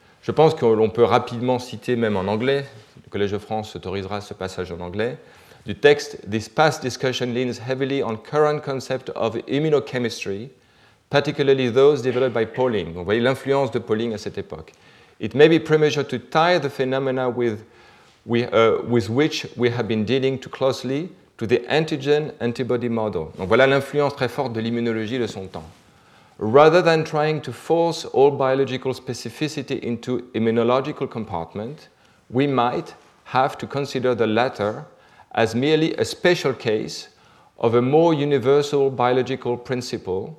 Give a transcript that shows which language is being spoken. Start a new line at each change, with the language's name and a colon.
French: Je pense que l'on peut rapidement citer, même en anglais, le Collège de France autorisera ce passage en anglais, « du texte,
English: this past discussion leans heavily on current concepts of immunochemistry, particularly those developed by Pauling.
French: Vous voyez l'influence de Pauling à cette époque.
English: It may be premature to tie the phenomena with which we have been dealing too closely to the antigen-antibody model.
French: Donc voilà l'influence très forte de l'immunologie de son temps.
English: Rather than trying to force all biological specificity into immunological compartment, we might have to consider the latter as merely a special case of a more universal biological principle.